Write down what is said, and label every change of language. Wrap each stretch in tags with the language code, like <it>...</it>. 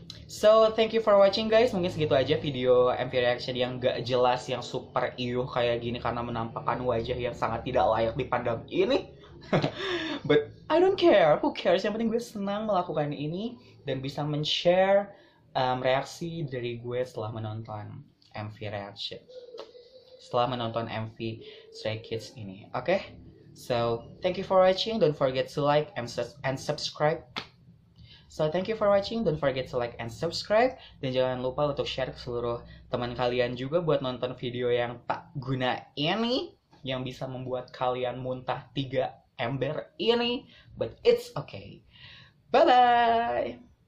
<en>So, thank you for watching guys.</en> <id>Mungkin segitu aja video MV reaction yang gak jelas, yang super iuh kayak gini, karena menampakkan wajah yang sangat tidak layak dipandang ini.</id> <en>But I don't care, who cares?</en> <id>Yang penting gue senang melakukan ini dan bisa men-share reaksi dari gue setelah menonton MV reaction, setelah menonton MV Stray Kids ini. Oke, okay?</id> <en>So thank you for watching. Don't forget to like and subscribe. So thank you for watching. Don't forget to like and subscribe.</en> <id>Dan jangan lupa untuk share ke seluruh teman kalian juga buat nonton video yang tak guna ini, yang bisa membuat kalian muntah 3 ember ini,</id> <en>but it's okay. Bye-bye!</en>